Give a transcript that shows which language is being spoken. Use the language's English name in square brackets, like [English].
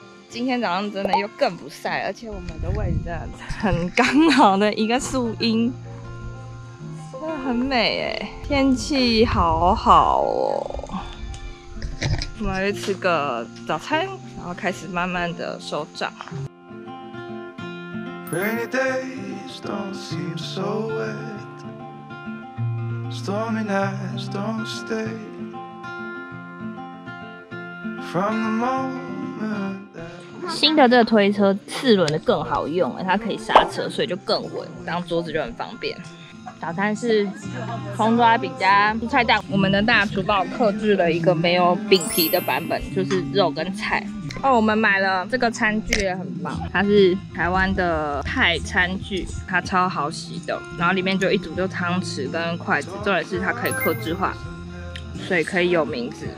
[Chinese] 今天早上真的又更不晒，而且我们的位置真的很刚好的一个树荫，真的很美哎，天气好好哦。我们要去吃个早餐，然后开始慢慢的收帐。 [English] Rainy days don't seem so wet, stormy nights don't stay from the moment. [Chinese] 新的这个推车四轮的更好用、欸、它可以刹车，所以就更稳，当桌子就很方便。早餐是红豆阿饼加蔬菜蛋，我们的大厨帮我客制了一个没有饼皮的版本，就是肉跟菜哦。我们买了这个餐具也很棒，它是台湾的泰餐具，它超好洗的，然后里面就一组就汤匙跟筷子，重点是它可以客制化，所以可以有名字。